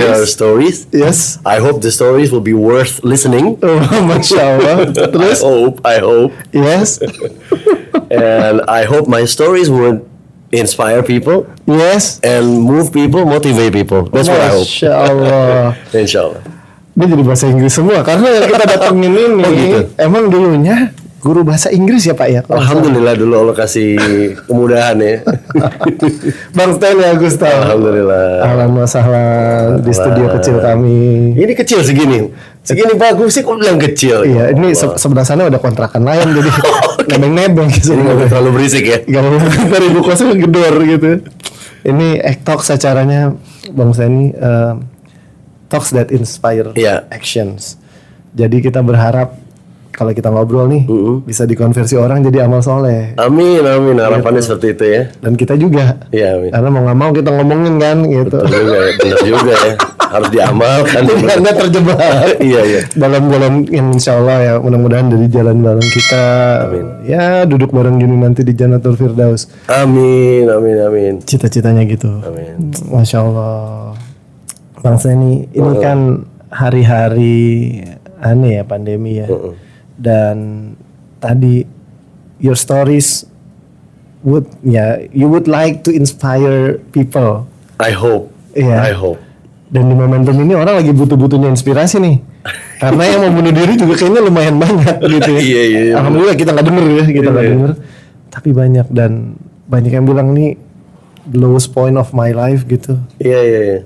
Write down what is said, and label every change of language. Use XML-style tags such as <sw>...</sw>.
<en>There are stories. Yes. I hope the stories will be worth listening.</en> <ar>Oh, mashallah.</ar> <id>Terus?</id> <en>I hope. Yes. And I hope my stories would inspire people. Yes. And move people, motivate people. That's what I hope.</en> <ar>Mashallah. Inshallah.</ar> <id>Ini jadi bahasa Inggris semua. Karena yang kita datengin ini, oh, gitu. Emang dulunya guru bahasa Inggris ya Pak ya? Alhamdulillah dulu Allah kasih kemudahan ya. Bang Stanley Agustaf.</id> <ar>Alhamdulillah.</ar> <id>Alhamdulillah. Di studio kecil kami. Ini kecil segini. Segini bagus sih, kok bilang kecil. Iya, ini sebelah sana udah kontrakan lain. Jadi nebeng-nebeng. Jadi gak terlalu berisik ya? Gak mau dari buku saya ngedor gitu. Ini Ektok acaranya Bang Stanley.</id> <en>Talks that inspire actions.</en> <id>Jadi kita berharap kalau kita ngobrol nih bisa dikonversi orang jadi amal soleh. Amin. Harapannya gitu. Seperti itu ya. Dan kita juga. Iya amin. Karena mau nggak mau kita ngomongin kan gitu. Betul juga ya. Benar juga ya. Harus diamalkan. Tidak terjebak. Iya. Dalam yang insya Allah ya, mudah-mudahan dari jalan bareng kita. Amin. Ya duduk bareng gini nanti di Jannatul Firdaus. Amin. Cita-citanya gitu. Amin. Masya Allah. Bang Stanley, ini kan hari-hari aneh ya pandemi ya. Dan tadi</id> <en>your stories would you would like to inspire people. I hope.</en> <id>Dan di momentum ini orang lagi butuh-butuhnya inspirasi nih. Karena yang mau bunuh diri juga kayaknya lumayan banyak gitu. Iya. Yeah, alhamdulillah bener. Kita nggak denger ya, kita nggak denger. Tapi banyak dan banyak yang bilang nih</id> <en>the lowest point of my life</en> <id>gitu. Iya.</id>